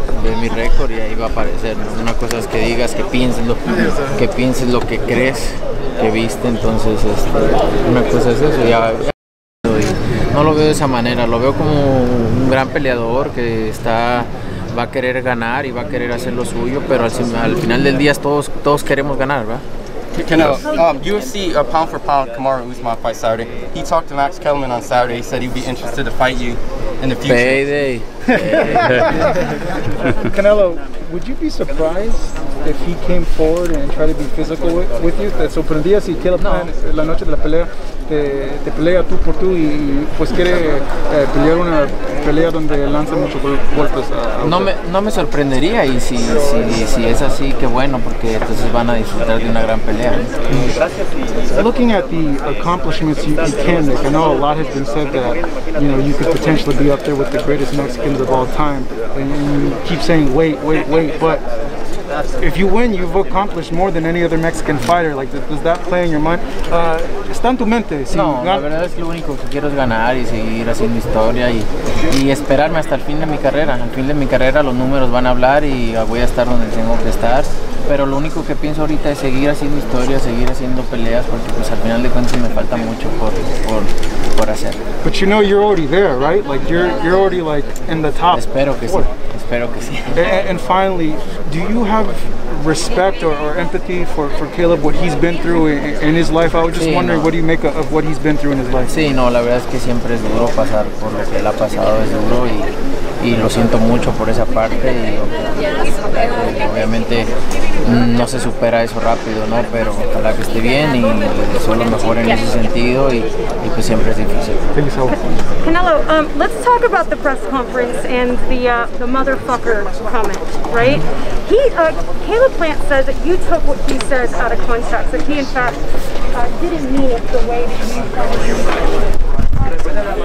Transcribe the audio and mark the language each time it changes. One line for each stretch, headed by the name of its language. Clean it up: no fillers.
Spanish: Ve mi récord y ahí va a aparecer, ¿no? Una cosa es que digas, que pienses lo que crees que viste, entonces una cosa es eso. Ya, no lo veo de esa manera, lo veo como un gran peleador que va a querer ganar y va a querer hacer lo suyo, pero al final del día todos queremos ganar, ¿verdad?
English: Canelo, UFC pound for pound, Kamaru Usman fight Saturday. He talked to Max Kellerman on Saturday. He said he'd be interested to fight you in the future. Payday. Canelo, would you be surprised if he came forward and tried to be physical with you?
Spanish: ¿Te sorprendía si Caleb Plant la noche de la pelea te pelea tú por tú y pues quiere pelear una pelea donde lanza muchos golpes? No me sorprendería y si es así, qué bueno, porque entonces van a disfrutar de una gran pelea.
English: Looking at the accomplishments you can make, I know a lot has been said that, you know, you could potentially be up there with the greatest Mexicans of all time, and you keep saying wait, but if you win, you've accomplished more than any other Mexican fighter. Like, does that play in your mind?
Spanish: Está en tu mente. No, la verdad es que lo único que quiero es ganar y seguir haciendo historia y esperarme hasta el fin de mi carrera. Al fin de mi carrera los números van a hablar y voy a estar donde tengo que estar. Pero lo único que pienso ahorita es seguir haciendo historia, seguir haciendo peleas, porque pues al final de cuentas me falta mucho por hacer.
English: But you know you're already there, right? Like you're already like in the top.
Spanish: Espero que sí.
English: And finally, do you have respect or empathy for Caleb, what he's been through in his life? I was just wondering, what do you make of what he's been through in his life?
Spanish: Sí, no, la verdad es que siempre es duro pasar por lo que él ha pasado, es duro y lo siento mucho por esa parte y obviamente no se supera eso rápido, ¿no? Pero ojalá que esté bien y solo mejor en ese sentido y pues siempre es difícil.
English: Canelo, let's talk about the press conference and the motherfucker comment, right? Caleb Plant says that you took what he says out of context, that he in fact didn't mean it the way that you thought it was.